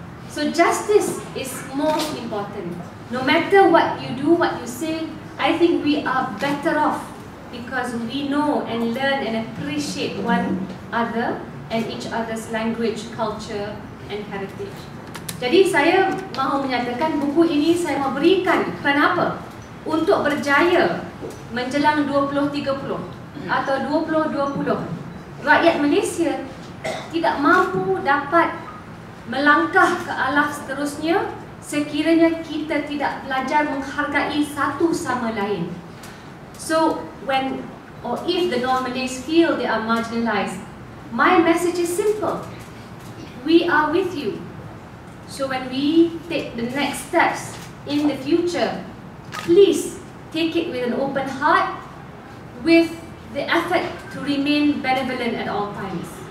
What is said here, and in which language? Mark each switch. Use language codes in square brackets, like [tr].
[en] So justice is most important. No matter what you do, what you say, I think we are better off because we know and learn and appreciate one other and each other's language, culture and heritage. [ms] Jadi saya mahu menyatakan buku ini saya mahu berikan. Kenapa? Untuk berjaya menjelang 2030 atau 2020, rakyat Malaysia tidak mampu dapat melangkah ke alas seterusnya sekiranya kita tidak belajar menghargai satu sama lain. [en] So when or if the non-Malays feel they are marginalized, my message is simple. We are with you. So when we take the next steps in the future, please take it with an open heart, with the effort to remain benevolent at all times.